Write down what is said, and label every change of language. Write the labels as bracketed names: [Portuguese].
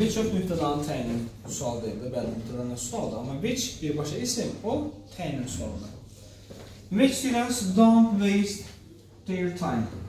[English] Which of [Azerbaijani] mühtədanın təyinin sual deyildi, bəli mühtədanın sualdı. Amma which birbaşa isim, o təyinin sualdı. [English] Which students don't waste their time?